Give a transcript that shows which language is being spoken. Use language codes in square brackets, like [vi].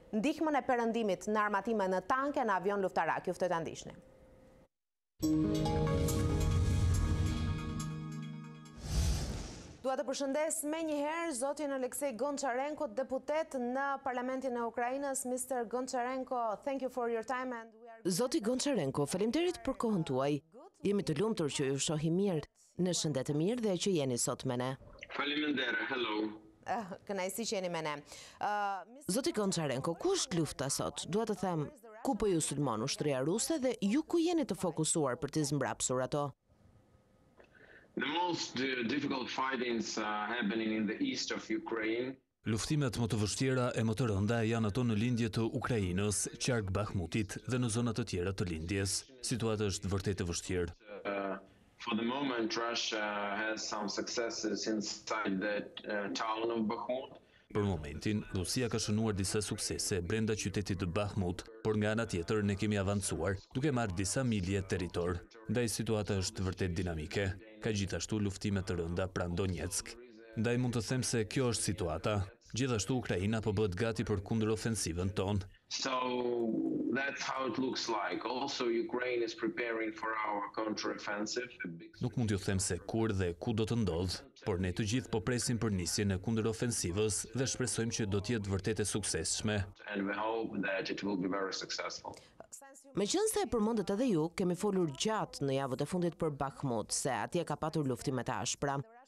[sq] Ndihmën e perëndimit në armatime, në tanke, në avion luftarak. Ju ftoj ta ndiqni. Dua të përshëndes më një herë zotin Oleksiy Goncharenko, deputet në Parlamentin e Ukrainës. [en] Mr. Goncharenko, thank you for your time and we are... [sq] Zoti Goncharenko, faleminderit për kohën tuaj. Jemi të lumtur që ju shohim mirë. Në shëndet të mirë dhe që jeni sot me ne. Faleminderit. [en] Hello. [sq] Kënaqësi që jeni me ne. Zoti Goncharenko, ku është lufta sot? Dua të them, ku po ju sulmon ushtria ruse dhe ju ku jeni të fokusuar për të zmbrapsur ato? [en] The most difficult fightings are happening in the east of Ukraine. [sq] Luftimet më të vështira e më të rënda janë ato në lindje të Ukrainës, qark Bahmutit dhe në zonat të tjera të lindjes. Situata është vërtet e vështirë. [en] For the moment Russia has some successes inside the town of Bahmut. [sq] Për momentin, Rusia ka shënuar disa suksese brenda qytetit të Bahmut, por nga ana tjetër ne kemi avancuar, duke marrë disa milje territor. Ndaj situata është vërtet dinamike, ka gjithashtu luftime të rënda pranë Donetsk. Ndaj mund të them se kjo është situata. Gjithashtu Ukraina po bëhet gati për kundërofensivën tonë. [en] So that's how it looks like. Also Ukraine is preparing for our counteroffensive. [sq] Nuk mund t'ju them se kur dhe ku do të ndodh, por ne të gjithë po presim për nisjen e kundërofensivës dhe shpresojmë që do të jetë vërtet e suksesshme. Meqense e përmendët edhe ju, kemi folur gjatë në javët e fundit për Bakhmut, se atje ka patur luftime të ashpra.